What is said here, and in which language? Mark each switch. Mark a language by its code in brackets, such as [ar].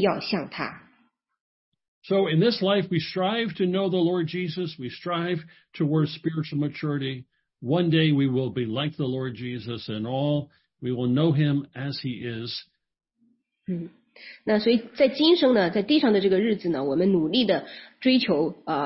[zh] 那他这里说三章二节，约翰一书，亲爱的弟兄啊，我们现在是神的儿女，将来如何还未显明，但我们知道主若显现，我们必要像他。 [en] So in this life we strive to know the Lord Jesus, we strive towards spiritual maturity. One day we will be like the Lord Jesus in all, we will know him as he is. [zh] 那所以在今生呢，在地上的这个日子呢，我们努力的追求。